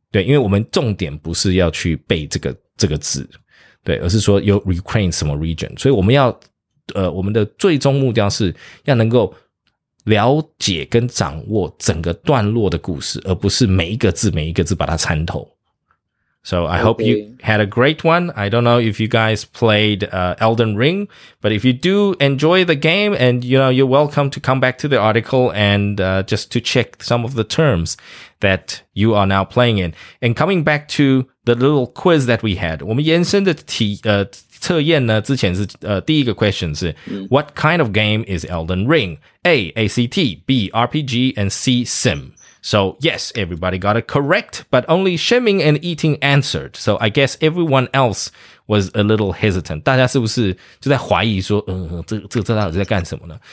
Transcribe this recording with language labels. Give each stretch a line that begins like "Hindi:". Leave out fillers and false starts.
Chinese: 对，因为我们重点不是要去背这个字，对，而是说有 Ukraine 什么 region， 所以我们要我们的最终目标是要能够了解跟掌握整个段落的故事，而不是每一个字每一个字把它参透。
English: So I hope you had a great one. I don't know if you guys played Elden Ring, but if you do enjoy the game and you know, you're welcome to come back to the article and just to check some of the terms that you are now playing in. And coming back to the little quiz that we had,
Chinese: 我们延伸的测验呢，之前是第一个
English: question 是 What kind of game is Elden Ring? A, ACT, B, RPG, and C, Sim. So yes, everybody got it correct, but only Shimming and Eating answered. So I guess everyone else was a little hesitant.
Chinese: 大家是不是就在怀疑说，这到底在干什么呢？